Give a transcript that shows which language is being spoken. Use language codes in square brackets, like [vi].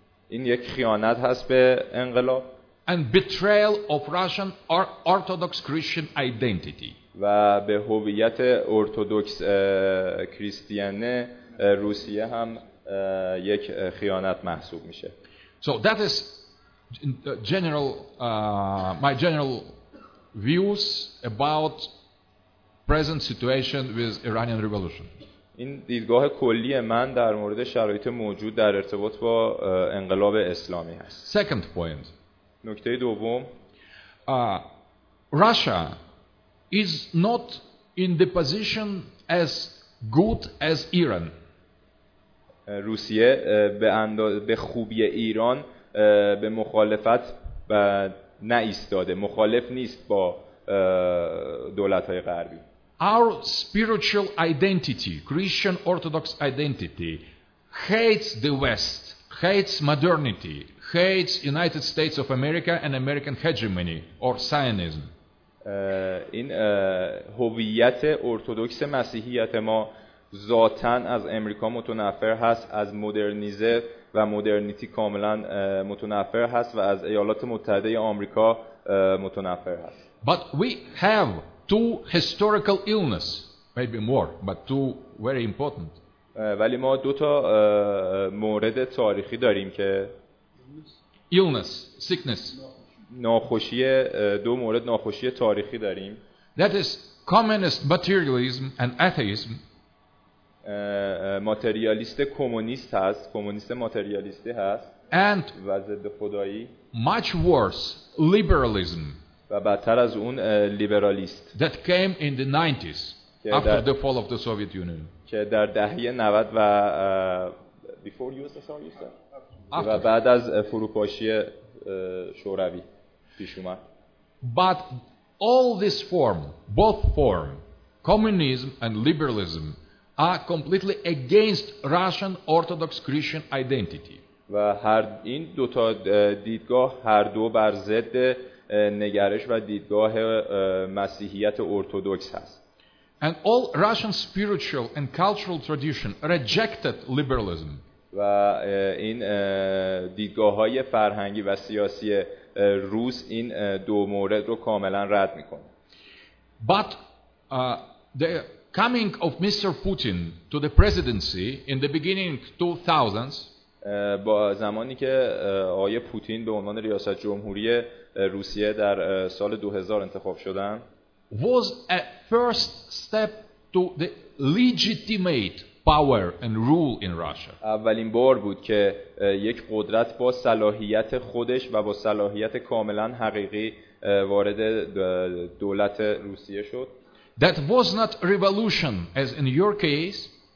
[fa] این یک خیانت هست به انقلاب. [en] And betrayal of Russian Orthodox Christian identity. [fa] و به هویت ارتدوکس کریستیانه روسیه هم یک خیانت محسوب میشه. [en] So that is general my general views about present situation with Iranian revolution. [fa] این دیدگاه کلی من در مورد شرایط موجود در ارتباط با انقلاب اسلامی هست. [en] Second point. [fa] نکته دوم. [en] Russia is not in the position as good as Iran. [fa] روسیه به خوبی ایران به مخالفت نه ایستاده، مخالف نیست با دولت‌های غربی. [en] Our spiritual identity, Christian Orthodox identity, hates the West, hates modernity, hates United States of America and American hegemony or Zionism. [fa] این هویت ارتدوکس مسیحیت ما ذاتاً از امریکا متنفر هست، از مدرنیزه و مدرنیتی کاملا متنفر هست و از ایالات متحده آمریکا متنفر هست. [en] But we have two historical illness, maybe more, but two very important. [fa] ولی ما دو تا مورد تاریخی داریم که [en] illness, sickness. [fa] ناخوشی دو مورد ناخوشی تاریخی داریم. [en] That is communist materialism and atheism. [fa] ماتریالیست کمونیست هست، کمونیست ماتریالیستی هست [en] and [fa] و ضد خدایی. [en] Much worse, liberalism. [fa] و بدتر از اون لیبرالیست. [en] That came in the 90s after the fall of the Soviet Union. [fa] که در دهه 90 و [en] before USSR after. [fa] و بعد از فروپاشی شوروی پیش اومد. [en] But all this form, both form, communism and liberalism are completely against Russian Orthodox Christian identity. [fa] و هر این دو تا دیدگاه هر دو بر ضد نگرش و دیدگاه مسیحیت ارتدوکس هست. [en] And all Russian spiritual and cultural tradition rejected liberalism. [fa] و این دیدگاه‌های فرهنگی و سیاسی روس این دو مورد رو کاملا رد می‌کنه. [en] But the coming of Mr. Putin to the presidency in the beginning 2000s. [fa] با زمانی که آقای پوتین به عنوان ریاست جمهوری روسیه در سال 2000 انتخاب شدن. [en] Was a first step to the legitimate power and rule in Russia. [fa] اولین بار بود که یک قدرت با صلاحیت خودش و با صلاحیت کاملا حقیقی وارد دولت روسیه شد. [en] That was not revolution as in your case.